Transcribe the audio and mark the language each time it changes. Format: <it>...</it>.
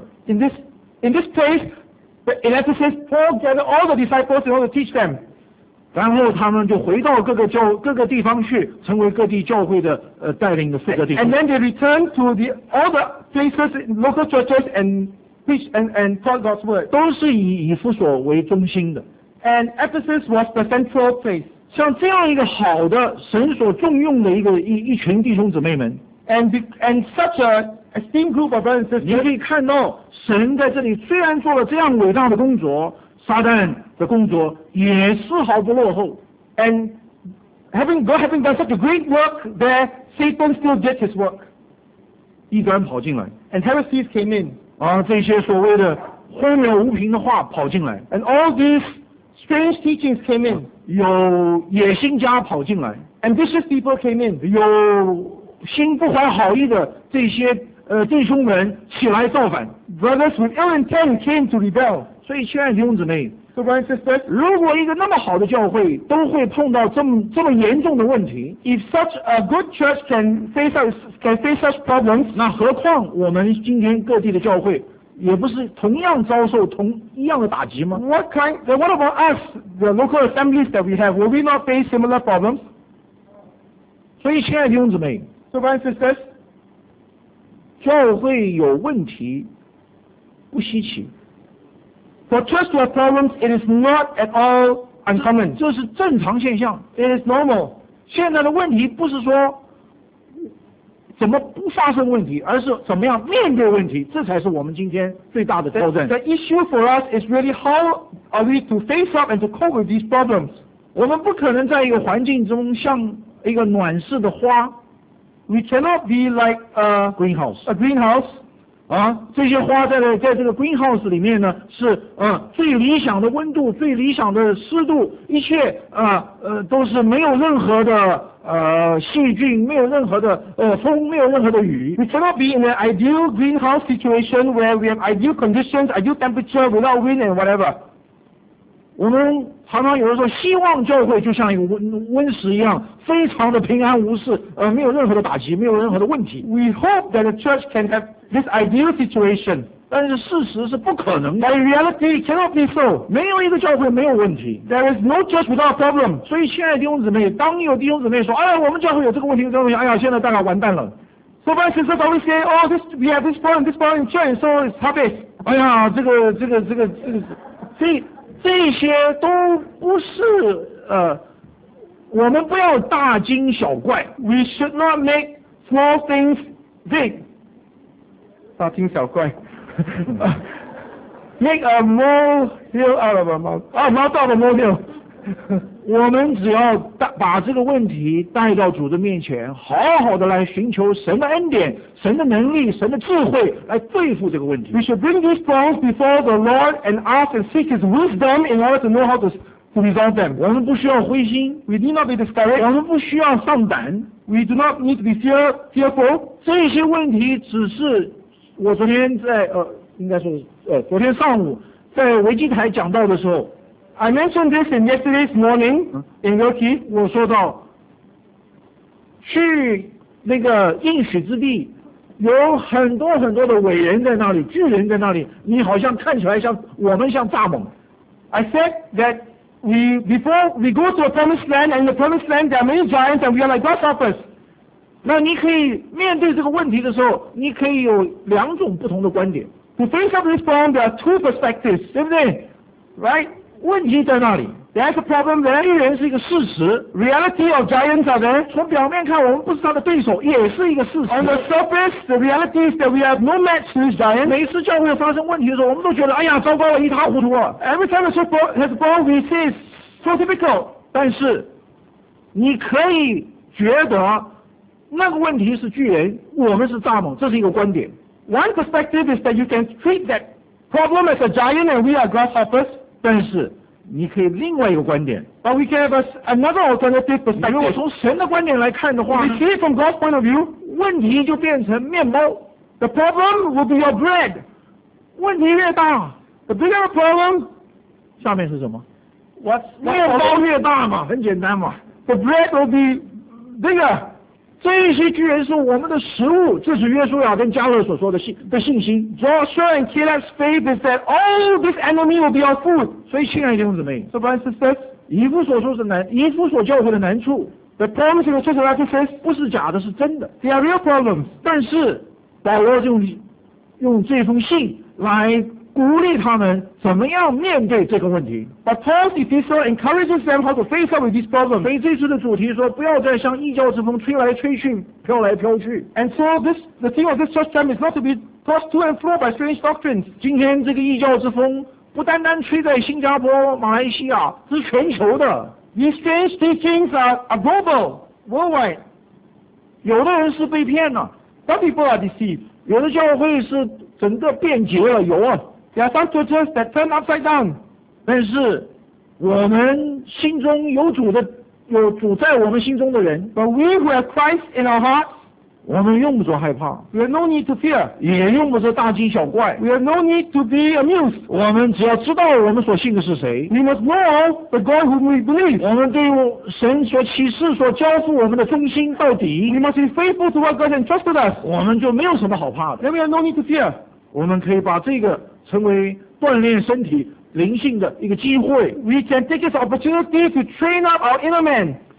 <en>In this place, in Ephesus, Paul gathered all the disciples in order to teach them.</en> <zh>然后他们就回到各个地方去，成为各地教会的带领的负责弟兄。</zh> <en>And then they returned to all the places, local churches, and preach and taught God's word.</en> <zh>都是以以弗所为中心的。</zh> <en>And Ephesus was the central place.</en> <zh>像这样一个好的神所重用的一群弟兄姊妹们。</zh> <en>And such a esteemed group of brothers and sisters.</en> <zh>你可以看到神在这里虽然做了这样伟大的工作，撒旦的工作也丝毫不落后。</zh> <en>And God having done such a great work there, Satan still did his work.</en> <zh>异端跑进来。</zh> <en>And heresies came in.</en> <zh>啊，这些所谓的荒谬无凭的话跑进来。</zh> <en>And all these strange teachings came in.</en> <zh>有野心家跑进来。</zh> <en>Ambitious people came in.</en> <zh>有心不怀好意的这些弟兄们起来造反。</zh> <en>Brothers with ill intent came to rebel.</en> <zh>所以亲爱的弟兄姊妹，</zh> <en>so brothers and sisters,</en> <zh>如果一个那么好的教会都会碰到这么严重的问题，</zh> <en>if such a good church can face such problems,</en> <zh>那何况我们今天各地的教会也不是同样遭受同一样的打击吗？</zh> <en>What about us, the local assemblies that we have, will we not face similar problems?</en> <zh>所以亲爱的弟兄姊妹，</zh> <en>so brothers and sisters,</en> <zh>教会有问题不稀奇。</zh> <en>For church to have problems, it is not at all uncommon.</en> <zh>这是正常现象。</zh> <en>It is normal.</en> <zh>现在的问题不是说怎么不发生问题，而是怎么样面对问题，这才是我们今天最大的挑战。</zh> <en>The issue for us is really how are we to face up and to cope with these problems.</en> <zh>我们不可能在一个环境中像一个暖室的花。</zh> <en>We cannot be like a greenhouse.</en> <zh>啊，这些花在这个 greenhouse 里面呢，是最理想的温度、最理想的湿度，一切都是没有任何的细菌，没有任何的风，没有任何的雨。</zh> <en>We cannot be in an ideal greenhouse situation where we have ideal conditions, ideal temperature without wind and whatever.</en> <zh>我们常常有人说希望教会就像一个温室一样，非常的平安无事，没有任何的打击，没有任何的问题。</zh> <en>We hope that the church can have this ideal situation.</en> <zh>但是事实是不可能</zh> <en>的。But in reality, it cannot be so.</en> <zh>没有一个教会没有问题。</zh> <en>There is no church without problem.</en> <zh>所以亲爱的弟兄姊妹，当有弟兄姊妹说，哎呀，我们教会有这个问题，这个问题，哎呀，现在大概完蛋了。</zh> <en>So my sisters always say, oh, we have this problem in church, so it's habit.</en> <zh>哎呀，这个，这些都不是我们不要大惊小怪。</zh> <en>We should not make small things big.</en> <zh>大惊小怪。</zh> <en>Make a molehill out of a mountain. Not out of a molehill.</en> <zh>我们只要把这个问题带到主的面前，好好的来寻求神的恩典、神的能力、神的智慧来对付这个问题。</zh> <en>We should bring these problems before the Lord and ask and seek His wisdom in order to know how to resolve them.</en> <zh>我们不需要灰心。</zh> <en>We need not be discouraged.</en> <zh>我们不需要丧胆。</zh> <en>We do not need to be fearful.</en> <zh>这些问题只是我昨天在昨天上午在维基台讲到的时候。</zh> <en>I mentioned this in yesterday's morning in Wilkie.</en> <zh>我说到去那个应许之地，有很多很多的伟人在那里，巨人在那里，你好像看起来像我们像蚱蜢。</zh> <en>I said that before we go to a promised land, and in the promised land there are many giants, and we are like grasshoppers.</en> <zh>那你可以面对这个问题的时候，你可以有两种不同的观点。</zh> <en>To think of this problem, there are two perspectives,</en> <zh>对不对</zh> <en>？Right？</en> <zh>问题在哪里</zh> <en>？There's a problem.</en> <zh>人与人是一个事实</zh> <en>，reality of giants are there.</en> <zh>从表面看，我们不是他的对手，也是一个事实。</zh> <en>On the surface, the reality is that we have no match to these giants.</en> <zh>每次教会发生问题的时候，我们都觉得哎呀，糟糕了，一塌糊涂啊。</zh> <en>Every time the support has fallen, we say it's so difficult.</en> <zh>但是，你可以觉得那个问题是巨人，我们是蚱蜢，这是一个观点。</zh> <en>One perspective is that you can treat that problem as a giant and we are grasshoppers.</en> <zh>但是你可以另外一个观点。</zh> <en>But we can have another alternative perspective.</en> <zh>因为我从神的观点来看的话</zh> <en>，We see from God's point of view,</en> <zh>问题就变成面包。</zh> <en>The problem will be your bread.</en> <zh>问题越大</zh> <en>，the bigger the problem.</en> <zh>下面是什么</zh> <en>？What's</en> <zh>面包越大嘛，很简单嘛。</zh> <en>The bread will be bigger.</en> <zh>这一些巨人是我们的食物，这是约书亚跟加勒所说的 信心。</zh> <en>Joshua and Caleb's faith is that all this enemy will be our food.</en> <zh>所以亲爱的弟兄姊妹</zh> <en>，So brothers and sisters,</en> <zh>以弗所说的难，以弗所教会的难处</zh> <en>，the problems in the church of Ephesus</en> <zh>不是假的，是真的。</zh> <en>They are real problems.</en> <zh>但是保罗用这封信来鼓励他们怎么样面对这个问题。</zh> <en>But Paul's epistle encourages them how to face up with this problem.</en> <zh>所以这次的主题说不要再像异教之风吹来吹去飘来飘去。</zh> <en>And so this, the theme of this church time is not to be tossed to and fro by strange doctrines.</en> <zh>今天这个异教之风不单单吹在新加坡马来西亚，是全球的。</zh> <en>These strange teachings are global, worldwide.</en> <zh>有的人是被骗了。</zh> <en>Some people are deceived.</en> <zh>有的教会是整个变节了，有啊。</zh> <en>There are some churches that turn upside down.</en> <zh>但是我们心中有主的，有主在我们心中的人。</zh> <en>But we who have Christ in our hearts,</en> <zh>我们用不着害怕。</zh> <en>We have no need to fear.</en> <zh>也用不着大惊小怪。</zh> <en>We have no need to be amused.</en> <zh>我们只要知道我们所信的是谁。</zh> <en>We must know the God whom we believe.</en> <zh>我们对神所启示、所交付我们的忠心到底。</zh> <en>We must be faithful to what God has entrusted us.</en> <zh>我们就没有什么好怕的。</zh> <en>Then we have no need to fear.</en> <zh>我们可以把这个成为锻炼身体灵性的一个机会。</zh> <en>We can take this opportunity to train up our inner man.</en>